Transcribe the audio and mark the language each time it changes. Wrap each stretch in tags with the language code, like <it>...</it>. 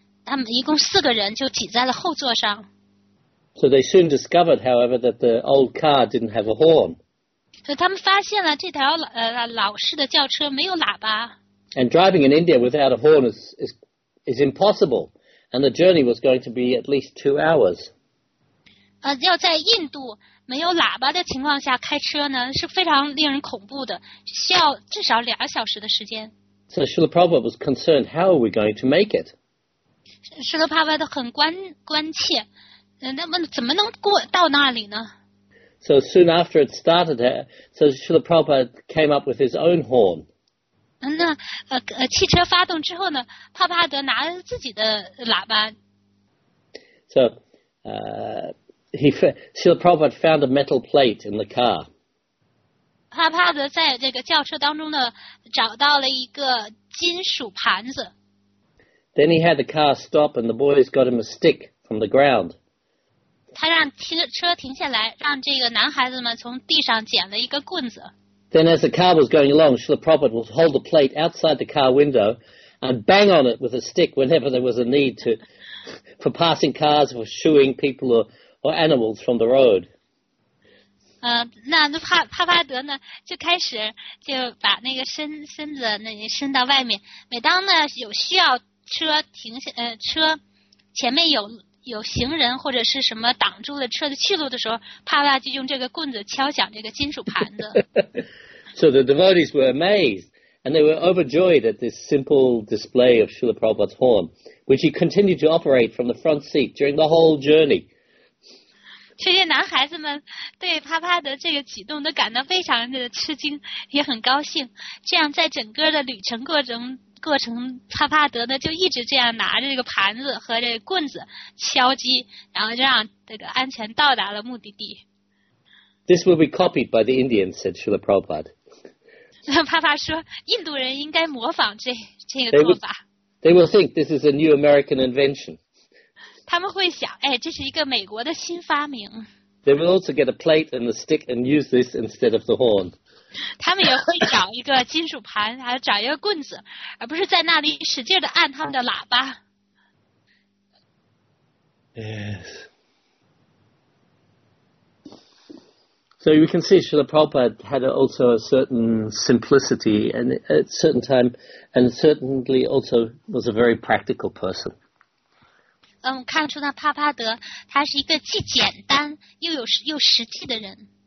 <zh>他们一共四个人就挤在了后座上。</zh> <en>So they soon discovered, however, that the old car didn't have a horn.</en> <zh>他们发现了这条老式的轿车没有喇叭。</zh> <en>And driving in India without a horn is impossible, and the journey was going to be at least 2 hours.</en> <zh>要在印度没有喇叭的情况下开车呢，是非常令人恐怖的，需要至少2小时的时间。</zh> <en>So Śrīla Prabhupāda was concerned, how are we going to make it?</en> <zh>Śrīla Prabhupāda 很关切，那么怎么能过到那里呢</zh> <en>？So soon after it started, so Śrīla Prabhupāda came up with his own horn.</en> <zh>那汽车发动之后呢，帕帕德拿了自己的喇叭。</zh> <en>So, Śrīla Prabhupāda found a metal plate in the car.</en> <zh>帕帕德在这个轿车当中呢，找到了一个金属盘子。</zh> <en>Then he had the car stop, and the boys got him a stick from the ground.</en> <zh>他让车停下来，让这个男孩子们从地上捡了一个棍子。</zh> <en>Then, as the car was going along, Śrīla Prabhupāda would hold the plate outside the car window and bang on it with a stick whenever there was a need to, for passing cars, for shooing people or animals from the road.</en> <zh>那帕德呢，就开始就把那个身子那伸到外面，每当呢有需要。车停下，车前面有行人或者是什么挡住了车的去路的时候，帕帕就用这个棍子敲响这个金属盘子。</zh> <en>So the devotees were amazed, and they were overjoyed at this simple display of Śrīla Prabhupāda's horn, which he continued to operate from the front seat during the whole journey.</en> <zh>这些男孩子们对帕帕的这个举动都感到非常的吃惊，也很高兴。这样在整个的旅程过程帕帕德呢就一直这样拿着这个盘子和这个棍子敲击，然后让这个安全到达了目的地。</zh> <en>This will be copied by the Indians, said Śrīla Prabhupāda.</en> <zh>帕帕说印度人应该模仿这个做法。</zh> <en>They will think this is a new American invention.</en> <zh>他们会想，哎，这是一个美国的新发明。</zh> <en>They will also get a plate and a stick and use this instead of the horn.</en> <zh>他们也会找一个金属盘，还有找一个棍子，而不是在那里使劲的按他们的喇叭。</zh> <en>Yes. So you can see Srila Prabhupada had also a certain simplicity and at a certain time, and certainly also was a very practical person.</en> <zh>看出那帕帕德他是一个既简单又实际的人。</zh>